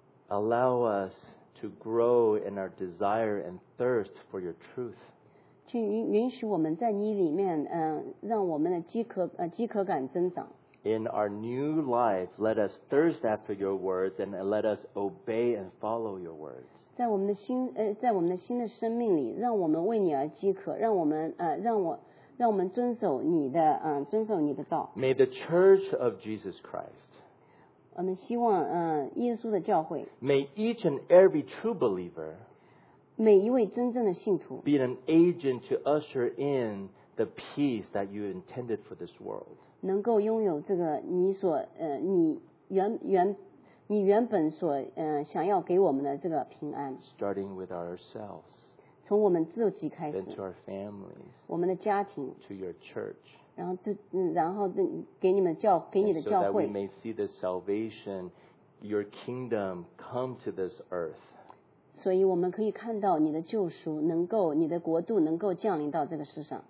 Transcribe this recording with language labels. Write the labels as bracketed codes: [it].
[en] Allow us to grow in our desire and thirst for your truth. [zh] 请允许我们在你里面，让我们的饥渴感增长。 [en] In our new life, let us thirst after your words and let us obey and follow your words. [zh] 在我们的新的生命里，让我们为你而饥渴，让我们遵守你的遵守你的道。 [en] May the Church of Jesus Christ. [zh] 我们希望耶稣的教会。 [en] May each and every true believer. [zh] 每一位真正的信徒。 [en] Be an agent to usher in the peace that you intended for this world. [zh] 能够拥有这个你所你原本所想要给我们的这个平安。 [en] Starting with ourselves. [zh] 从我们自己开始。 [en] Then to our families. [zh] 我们的家庭。 [en] To your church. [zh] 然后给你们教给你的教会。 [en] So that we may see the salvation, your kingdom come to this earth. [zh] 所以我们可以看到你的救赎能够你的国度能够降临到这个世上